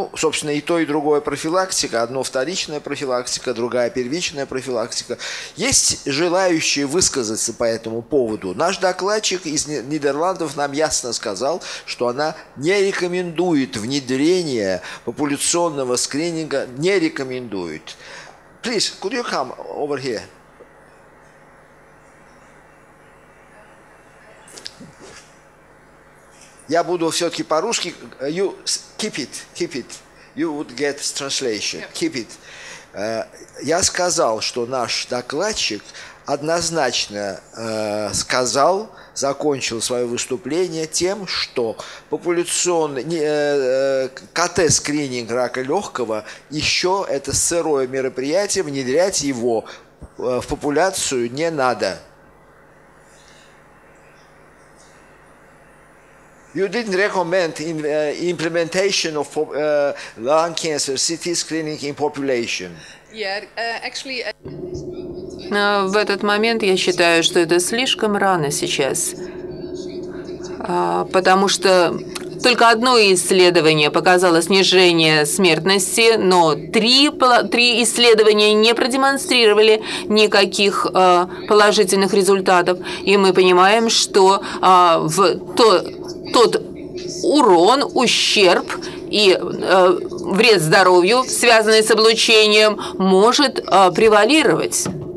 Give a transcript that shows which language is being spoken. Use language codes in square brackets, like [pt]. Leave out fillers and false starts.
[ru] Ну, собственно, и то, и другое профилактика. Одно вторичная профилактика, другая первичная профилактика. Есть желающие высказаться по этому поводу. Наш докладчик из Нидерландов нам ясно сказал, что она не рекомендует внедрение популяционного скрининга. Не рекомендует. [en] Please, could you come over here? [ru] Я буду все-таки по-русски. [en] You keep it, you would get translation, keep it. [ru] Я сказал, что наш докладчик однозначно сказал, закончил свое выступление тем, что популяционный КТ-скрининг рака легкого еще это сырое мероприятие, внедрять его в популяцию не надо. [en] You didn't recommend implementation of lung cancer CT screening in population. [ru] В этот момент я считаю, что это слишком рано сейчас, потому что только одно исследование показало снижение смертности, но три исследования не продемонстрировали никаких положительных результатов, и мы понимаем, что тот урон, ущерб и вред здоровью, связанный с облучением, может превалировать.